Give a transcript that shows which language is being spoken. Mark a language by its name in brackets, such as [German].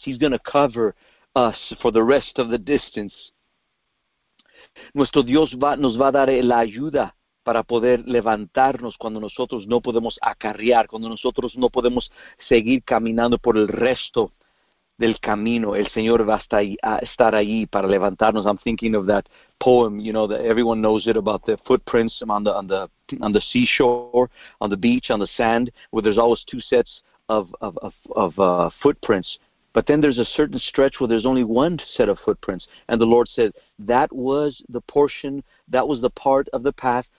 [English] He's going to cover us for the rest of the distance. [Spanish] Nuestro Dios nos va a dar la ayuda para poder levantarnos cuando nosotros no podemos acarrear, cuando nosotros no podemos seguir caminando por el resto del camino. El Señor va a estar ahí para levantarnos. [English] I'm thinking of that poem, you know, that everyone knows it, about the footprints on the seashore, on the beach, on the sand, where there's always two sets of footprints. But then there's a certain stretch where there's only one set of footprints. And the Lord said, that was the part of the path